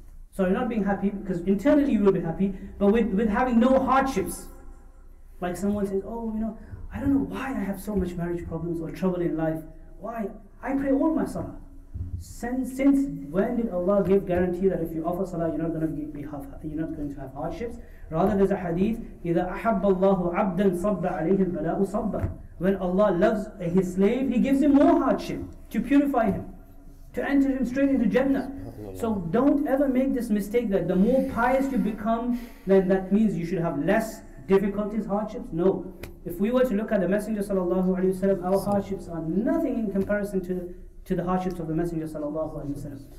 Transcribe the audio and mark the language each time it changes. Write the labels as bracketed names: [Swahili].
[English] Sorry, not being happy, because internally you will be happy, but with having no hardships. Like someone says, oh, you know, I don't know why I have so much marriage problems or trouble in life. Why? I pray all my salah. Since when did Allah give guarantee that if you offer salah, you're not going to have hardships? Rather, there's a hadith, [Arabic] إِذَا أَحَبَّ اللَّهُ عَبْدًا صَبَّ عَلَيْهِ الْبَلَاءُ صَبَّ. [English] When Allah loves His slave, He gives him more hardship to purify him, to enter him straight into Jannah. So don't ever make this mistake that the more pious you become, then that means you should have less difficulties, hardships. No. If we were to look at the Messenger sallallahu alayhi wa sallam, our hardships are nothing in comparison to the hardships of the Messenger sallallahu alayhi wa sallam.